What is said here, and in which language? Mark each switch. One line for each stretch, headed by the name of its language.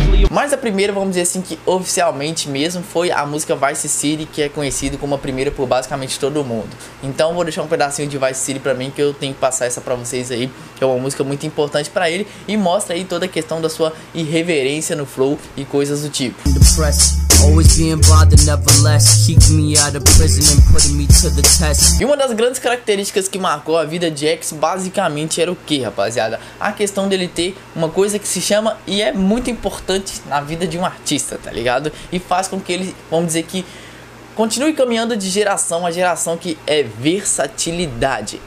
Portuguese: Mas a primeira, vamos dizer assim, que oficialmente mesmo foi a música Vice City, que é conhecida como a primeira por basicamente todo mundo. Então vou deixar um pedacinho de Vice City pra mim, que eu tenho que passar essa pra vocês aí, que é uma música muito importante pra ele e mostra aí toda a questão da sua irreverência no flow e coisas do tipo.
English: Always being bothered, nevertheless, keep me out of prison and putting me to the test.
Portuguese: E uma das grandes características que marcou a vida de X basicamente era o que, rapaziada? A questão dele ter uma coisa que se chama e é muito importante na vida de um artista, tá ligado? E faz com que ele, vamos dizer que continue caminhando de geração a geração, que é versatilidade.